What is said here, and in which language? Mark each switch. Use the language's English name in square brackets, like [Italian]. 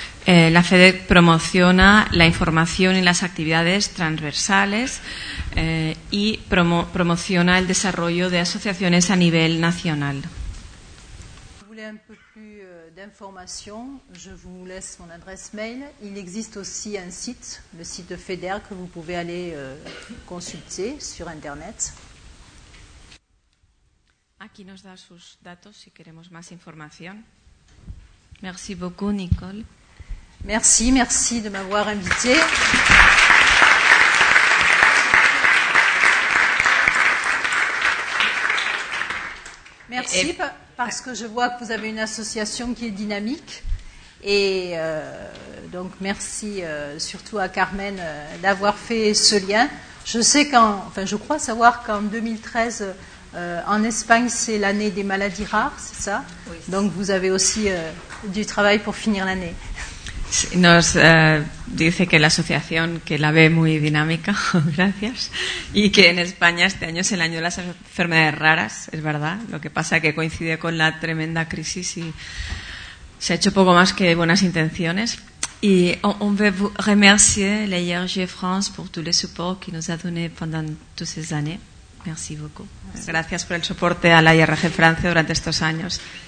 [Spanish] La FEDER promociona la información y las actividades transversales y promociona el desarrollo de asociaciones a nivel nacional. [French] Un peu plus d'informations, je vous laisse mon adresse mail. Il existe aussi un site, le site de FEDER, que vous pouvez aller consulter sur Internet. [Spanish] Aquí nos da sus datos si queremos más información. [French] Merci beaucoup, Nicole. Merci de m'avoir invité. Merci. Parce que je vois que vous avez une association qui est dynamique. Et donc, merci surtout à Carmen d'avoir fait ce lien. Je crois savoir qu'en 2013, en Espagne, c'est l'année des maladies rares, c'est ça? Oui. Donc, vous avez aussi du travail pour finir l'année. [Spanish] Nos dice que la asociación que la ve muy dinámica, gracias, y que en España este año es el año de las enfermedades raras, es verdad, lo que pasa que coincide con la tremenda crisis y se ha hecho poco más que buenas intenciones. [French] Y on veut vous remercier la IRG France pour tout le support qu'il nous a donné pendant toutes ces années. Merci beaucoup. [Spanish] Gracias por el soporte a la IRG Francia durante estos años.